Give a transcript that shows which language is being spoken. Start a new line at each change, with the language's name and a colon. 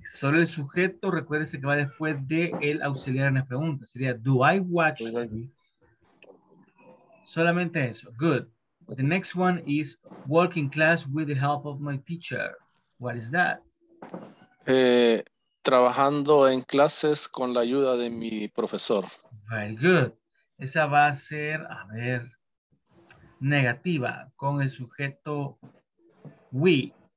Spanish: Solo el sujeto, recuérdese que va después de el auxiliar en la pregunta.
English: Sería, do I watch TV?
Spanish: Solamente eso.
English: Good. But the next one is working class with the help of my teacher. What is that?
Spanish: Trabajando en clases con la ayuda de mi profesor.
English: Very good.
Spanish: Esa va a ser, a ver, negativa con el sujeto we.